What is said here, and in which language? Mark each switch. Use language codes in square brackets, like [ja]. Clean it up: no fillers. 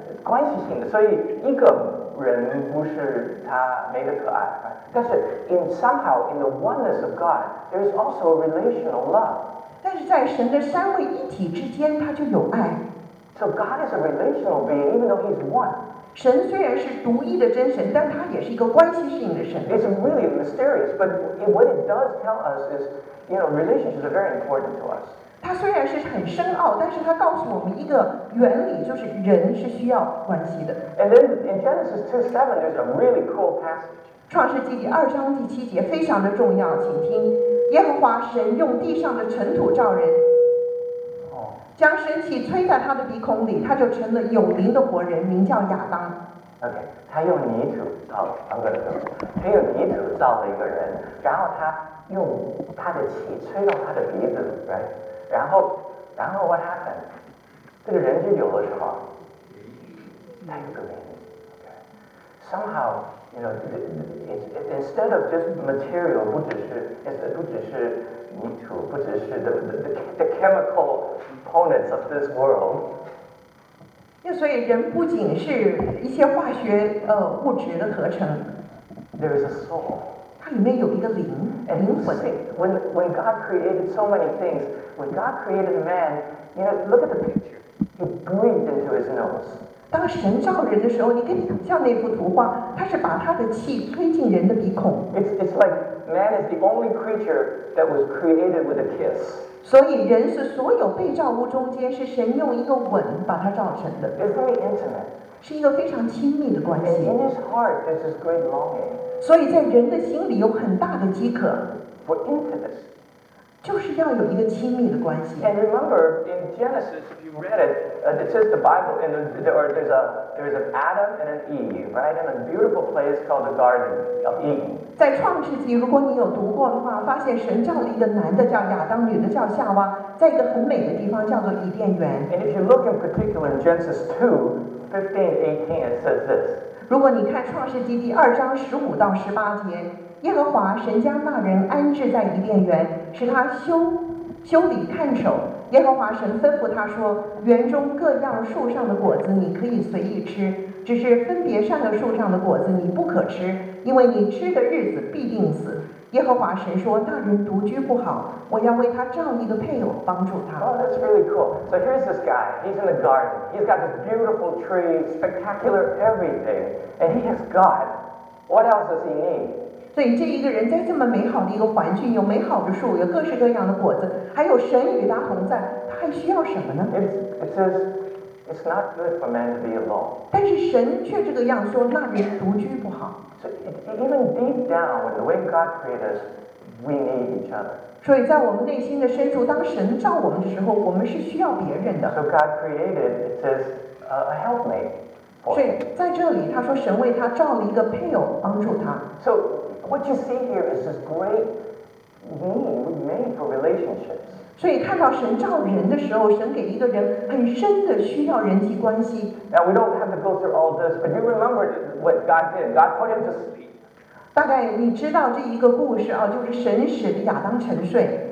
[zh] 关系性的，所以一个人不是他没得可爱。但是 [en] in somehow in the oneness of God, there is also a relational love. [zh] 但是在神的三位一体之间，他就有爱。 [en] So God is a relational being, even though He's one. [zh] 神虽然是独一的真神，但他也是一个关系性的神。 [en] It's really mysterious, but what it does tell us is, you know, relationships are very important to us. [zh] 它虽然是很深奥，但是它告诉我们一个原理，就是人是需要关系的。 [en] And then in Genesis 2:7, there's a really cool passage. [zh] 创世纪第二章第七节非常的重要，请听：耶和华神用地上的尘土造人。将生气吹在他的鼻孔里，他就成了有灵的活人，名叫亚当。 OK， 他用泥土造，他用泥土造了一个人，然后他用他的气吹到他的鼻子里， right？然后 [en] what happened？ [zh] 这个人就有了什么？他有个灵。 [en] Somehow， you know， it instead of just material， [zh] 不只是泥土，不只是 [en] the chemical components of this world。 [zh] 所以人不仅是一些化学物质的合成。 [en] There is a soul。 [zh] 它里面有一个灵。 [en] And you see, when God created so many things, when God created man, you know, look at the picture. He breathed into his nose. [zh] 当神造人的时候，你可以想象那幅图画，他是把他的气吹进人的鼻孔。 [en] It's like man is the only creature that was created with a kiss. [zh] 所以人是所有被造物中间是神用一个吻把它造成的。 [en] It's very intimate. [zh] 是一个非常亲密的关系。 [en] And in his heart, there's this great longing. [zh] 所以在人的心里有很大的饥渴。 [en] For intimacy. [zh] 就是要有一个亲密的关系。 [en] And remember in Genesis. Read it. It says the Bible, and there's an Adam and an Eve, right? In a beautiful place called the Garden of Eden. [zh] 在创世纪，如果你有读过的话，发现神造了一个男的叫亚当，女的叫夏娃，在一个很美的地方叫做伊甸园。 [en] And if you look in particular in Genesis 2:15-18, it says this. [zh] 如果你看创世纪第二章十五到十八节，耶和华神将那人安置在伊甸园，使他修理看守。耶和华神吩咐他说：“园中各样树上的果子你可以随意吃，只是分别善恶树上的果子你不可吃，因为你吃的日子必定死。” 耶和华神说：“那人独居不好，我要为他造一个配偶帮助他。” [en] Oh, that's really cool. So here's this guy. He's in the garden. He's got this beautiful tree, spectacular everything, and he has God. What else does he need? [zh] 所以这一个人在这么美好的一个环境，有美好的树，有各式各样的果子，还有神与他同在，他还需要什么呢？ [en] It's not good for man to be alone. [zh] 但是神却这个样说，那人独居不好。 [en] So even deep down, when the way God created us, we need each other. [zh] 所以在我们内心的深处，当神造我们的时候，我们是需要别人的。 [en] So God created, it says, a helpmate. [zh] 所以在这里，他说神为他造了一个配偶，帮助他。 [en] So,What you see here is this great need made for relationships. [zh] 所以看到神造人的时候，神给一个人很深的需要人际关系。 [en] Now we don't have to go through all this, but you remember what God did. God put him to sleep. [zh] 大概你知道这一个故事啊，就是神使亚当沉睡。